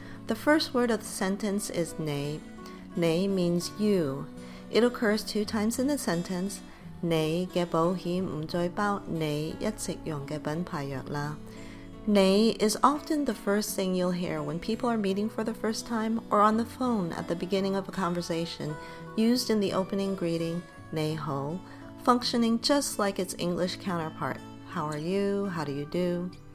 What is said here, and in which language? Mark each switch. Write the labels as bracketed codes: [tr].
[en] The first word of the sentence is 你. 你 means you. It occurs two times in the sentence. [zh] 你的保险不再包你一直用的品牌药了. [en] 你 is often the first thing you'll hear when people are meeting for the first time or on the phone at the beginning of a conversation, used in the opening greeting, 你好, functioning just like its English counterpart, how are you, how do you do?